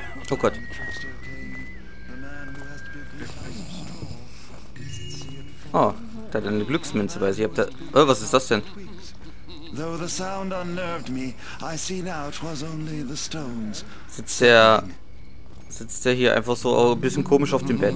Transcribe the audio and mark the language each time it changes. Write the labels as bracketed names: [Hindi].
[German] Oh Gott. Oh, da hat er eine Glücksmünze bei sich. Oh, was ist das denn? [English] Though the sound unnerved me, I see now it was only the stones. [German] Sitzt der hier einfach so ein bisschen komisch auf dem Bett?